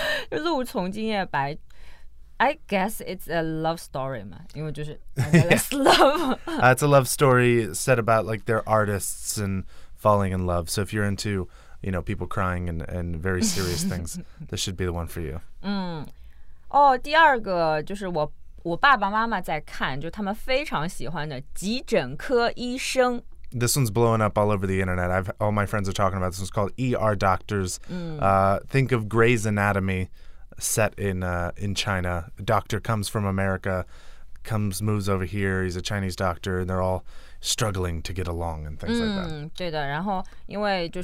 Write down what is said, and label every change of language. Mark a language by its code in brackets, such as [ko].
[en] 鹿丛今夜白, I guess it's a love story, [zh] 因为就是 [en] Endless Love. It's a love story set about like their artists and falling in love. So if you're into, you know, people crying and very serious things, this should be the one for you. [zh] 哦,第二个就是我爸爸妈妈在看,就他们非常喜欢的急诊科医生。 [en] This one's blowing up all over the internet. All my friends are talking about this one's called ER Doctors. Think of Grey's Anatomy set in China. A doctor comes from America, moves over here, he's a Chinese doctor, and they're all struggling to get along and things like that.